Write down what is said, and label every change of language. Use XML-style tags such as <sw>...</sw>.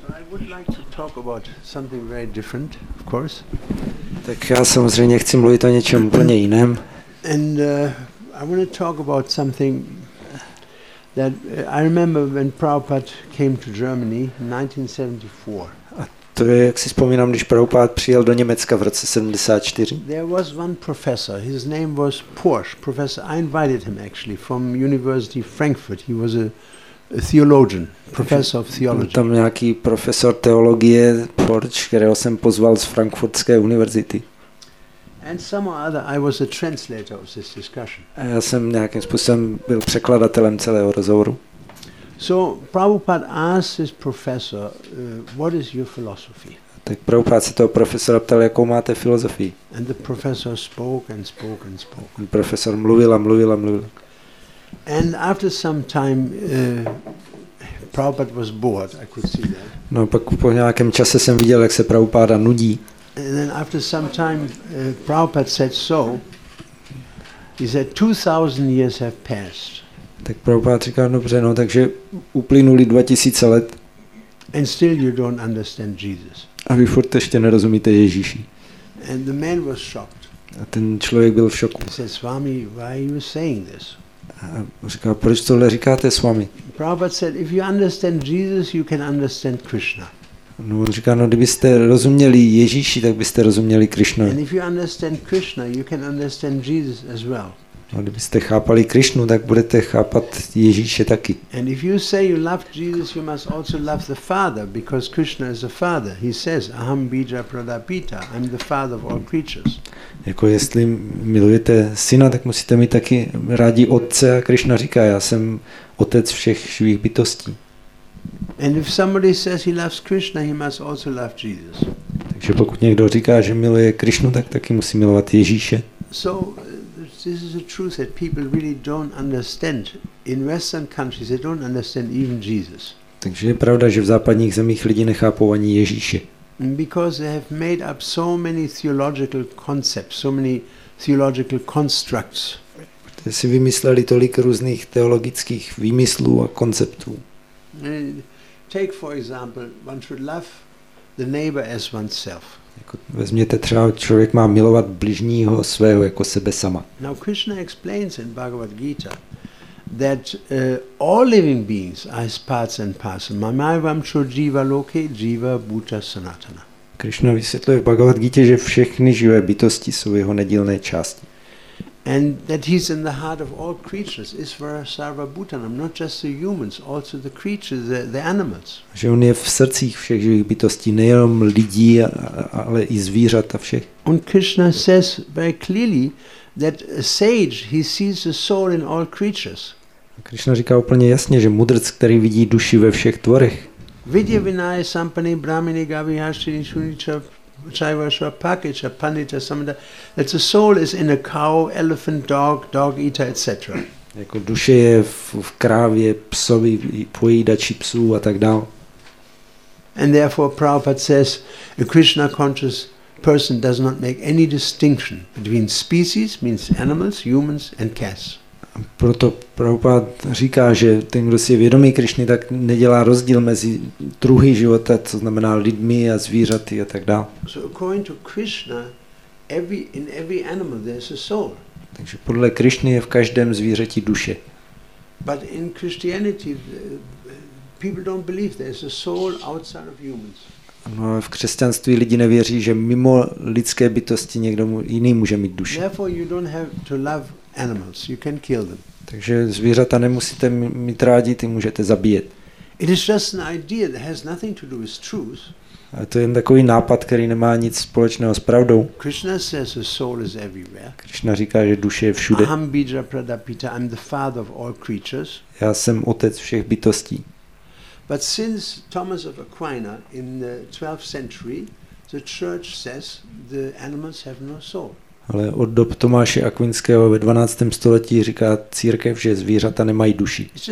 <en>would like to talk about something very different, of course.</en> <cs>Tak já samozřejmě chci mluvit o něčem úplně jiném.</cs> <en>And I want to talk about something that I remember when Prabhupada came to Germany in 1974.</en> <cs>A to je, jak si vzpomínám, když Prabhupada přijel do Německa v roce 74.</cs> <en>There was one professor. His name was Porsche. Professor, I invited him actually from University of Frankfurt. He was a theologian, professor of theology.</en> <cs>Tam nějaký profesor teologie Porsche, kterého jsem pozval z Frankfurtské univerzity.</cs> <en>And somehow other I was a translator of this discussion.</en> <cs>Já jsem nějakým způsobem byl překladatelem celého rozhovoru.</cs> <en>So Prabhupada asked his professor, what is your philosophy?</en> <cs>Tak Prabhupada se toho profesora ptal, jakou máte filozofii.</cs> <en>And the professor spoke and spoke and spoke.</en> <cs>A profesor mluvil a mluvil a mluvil.</cs> <en>And after some time Prabhupada was bored, I could see that.</en> <cs>No, pak po nějakém čase jsem viděl, jak se Prabhupada nudí.</cs> <en>And then after some time Prabhupada said so. He said 2000 years have passed.</en> <cs>Tak Prabhupada říká, dobře, no, takže uplynuli 2000 let.</cs> <en>And still you don't understand Jesus.</en> <cs>A vy furt ještě nerozumíte Ježíši.</cs> <en>And the man was shocked.</en> <cs>A ten člověk byl v šoku.</cs> <en>He said, Swami, why are you saying this?</en> <cs>A říká, proč tohle říkáte, Swami?</cs> <en>Prabhupada said, if you understand Jesus, you can understand Krishna.</en> <cs>No, on říká, no, kdybyste rozuměli Ježíši, tak byste rozuměli Krishna.</cs> <en>And if you understand Krishna, you can understand Jesus as well.</en> <cs>No, kdybyste chápali Krishnu, tak budete chápat Ježíše taky.</cs> <en>And if you say you love Jesus, you must also love the Father, because Krishna is the Father. He says,</en> <sa>Aham Bija Pradapita,</sa> <en>I'm the Father of all creatures.</en> <cs>Jako jestli milujete syna, tak musíte mít taky rádi otce, a Krishna říká, já jsem otec všech živých bytostí.</cs> <en>And if somebody says he loves Krishna, he must also love Jesus.</en> <cs>Takže pokud někdo říká, že miluje Krishnu, tak taky musí milovat Ježíše.</cs> <en>So this is a truth that people really don't understand. In Western countries, they don't understand even Jesus.</en> <cs>Takže je pravda, že v západních zemích lidi nechápou ani Ježíše.</cs> <en>Because they have made up so many theological concepts, so many theological constructs.</en> <cs>Protože si vymysleli tolik různých teologických výmyslů a konceptů.</cs> <en>Take for example, one should love the neighbor as oneself.</en> <cs>Vezměte třeba, člověk má milovat bližního svého jako sebe sama.</cs> <en>Now Krishna explains in Bhagavad Gita that all living beings are his parts and parcels.</en> <sa>Mamaivam cha jiva loke jiva bhuta sanatana.</sa> <cs>Krishna vysvětluje v Bhagavad Gita, že všechny živé bytosti jsou jeho nedílné části.</cs> <en>And that he's in the heart of all creatures,</en> <sa>Isvara Sarva Bhutanam,</sa> <en>not just the humans, also the creatures, the animals.</en> <cs>Že on je v srdcích všech živých bytostí, nejenom lidí, ale i zvířat a všech.</cs> <en>And Krishna says very clearly that a sage, he sees the soul in all creatures.</en> <cs>Krishna říká úplně jasně, že mudrc, který vidí duši ve všech tvorech.</cs> <sa>Vidya Vinaya Sampani Brahmini Gavihashini Shunicha Chaiva Shapakicha Panita Samanda,</sa> <en>that the soul is in a cow, elephant, dog, dog eater, etc.</en> <cs>Jako duše je v krávě, psovi, pojídači psů a tak dále.</cs> <en>And therefore Prabhupada says a Krishna conscious person does not make any distinction between species, means animals, humans and cats.</en> <cs>Proto Prabhupada říká, že ten, kdo si je vědomý Krišny, tak nedělá rozdíl mezi druhy života, co znamená lidmi a zvířaty a tak dále.</cs> <en>So according to Krishna, in every animal there's a soul.</en> <cs>Takže podle Krišny je v každém zvířeti duše.</cs> <en>But in Christianity people don't believe there's a soul outside of humans.</en> <cs>No, v křesťanství lidi nevěří, že mimo lidské bytosti někdo jiný může mít duši.</cs> <en>Therefore you don't have to love animals, you can kill them.</en> <cs>Takže zvířata nemusíte mít rádi, ty můžete zabíjet.</cs> <en>It is just an idea that has nothing to do with truth.</en> <cs>A to je jen takový nápad, který nemá nic společného s pravdou.</cs> <en>Krishna says the soul is everywhere.</en> <cs>Krishna říká, že duše je všude.</cs> <sa>Aham Bija Pradapita,</sa> <en>I'm the father of all creatures.</en> <cs>Já jsem otec všech bytostí.</cs> <en>But since Thomas of Aquinas in the 12th century, the church says the animals have no soul.</en> <cs>Ale od dob Tomáše Akvinského ve 12. století říká církev, že zvířata nemají duši.</cs>